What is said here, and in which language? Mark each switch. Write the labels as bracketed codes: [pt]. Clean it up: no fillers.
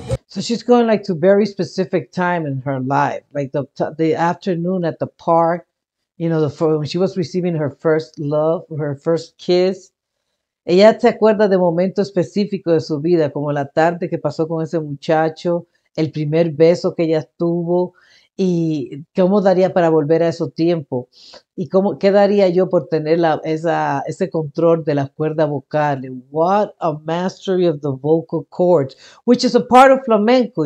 [en] So she's going like to very specific time in her life, like the afternoon at the park, you know, when she was receiving her first love, her first kiss. [es] Ella se acuerda de momentos específicos de su vida, como la tarde que pasó con ese muchacho, el primer beso que ella tuvo, y cómo daría para volver a ese tiempo, y cómo, qué daría yo por tener ese control de la cuerda vocal. [en] What a mastery of the vocal cords, which is a part of flamenco.